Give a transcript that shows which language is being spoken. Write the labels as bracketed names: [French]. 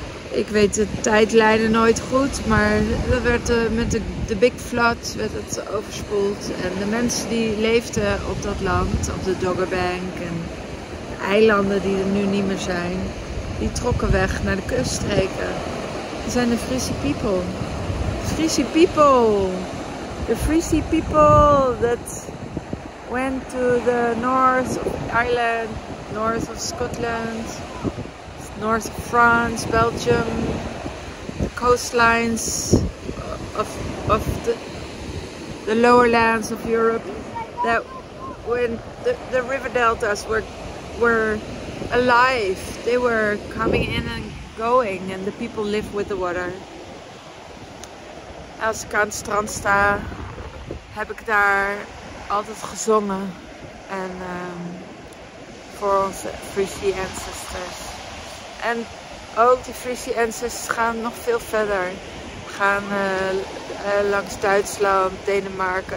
[Dutch] Ik weet de tijdlijnen nooit goed, maar dat werd met de Big Flood werd het overspoeld en de mensen die leefden op dat land, op de Doggerbank en de eilanden die er nu niet meer zijn, die trokken weg naar de kuststreken. Dat zijn de Friese people. [English] Friese people! The Friese people that went to the north of Ireland, north of Scotland, north of France, Belgium, the coastlines of the lower lands of Europe, that when the river deltas were alive, they were coming in and going and the people lived with the water. [Dutch] Als ik aan het strand sta, heb ik daar altijd gezongen en voor onze Frisie ancestors. En ook die Frisie ancestors gaan nog veel verder. Gaan langs Duitsland, Denemarken.